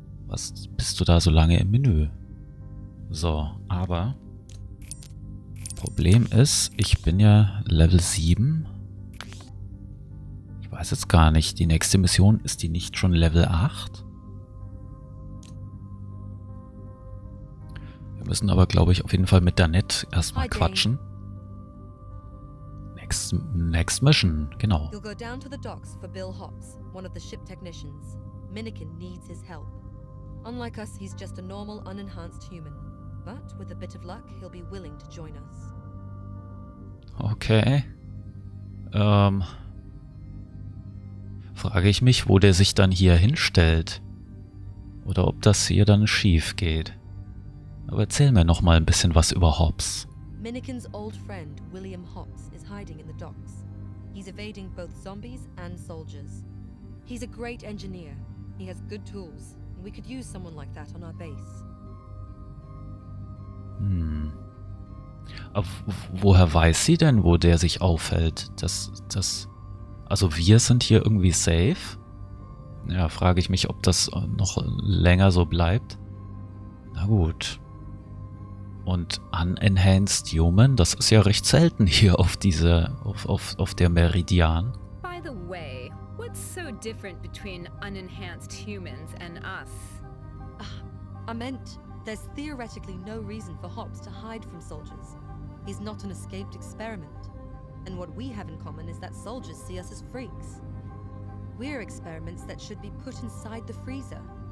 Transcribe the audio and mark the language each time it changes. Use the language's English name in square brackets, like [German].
[German] Was bist du da so lange im Menü? So, aber Problem ist, ich bin ja Level 7. Ich weiß jetzt gar nicht, die nächste Mission, ist die nicht schon Level 8? Wir müssen aber, glaube ich, auf jeden Fall mit Danette erstmal quatschen. [English] Next Mission, [German] genau. [English] You'll go down to the docks for Bill Hopps, one of the ship technicians. Minikin needs his help. Unlike us, he's just a normal, unenhanced human. But with a bit of luck, he'll be willing to join us. [German] Okay. Frage ich mich, wo der sich dann hier hinstellt. Oder ob das hier dann schief geht. Aber erzähl mir nochmal ein bisschen was über Hopps. [English] Minikins old friend, William Hopps, is hiding in the docks. He's evading both zombies and soldiers. He's a great engineer. He has good tools. And we could use someone like that on our base. [German] Woher weiß sie denn, wo der sich aufhält? Das, also wir sind hier irgendwie safe? Ja, frage ich mich, ob das noch länger so bleibt. Na gut. Und Unenhanced Human, das ist ja recht selten hier auf dieser, auf der Meridian. [English] By the way, what's so different between unenhanced humans and us? I meant, there's theoretically no reason for Hopps to hide from soldiers. He's not an escaped experiment. And what we have in common is that soldiers see us as freaks. We're experiments that should be put inside the freezer.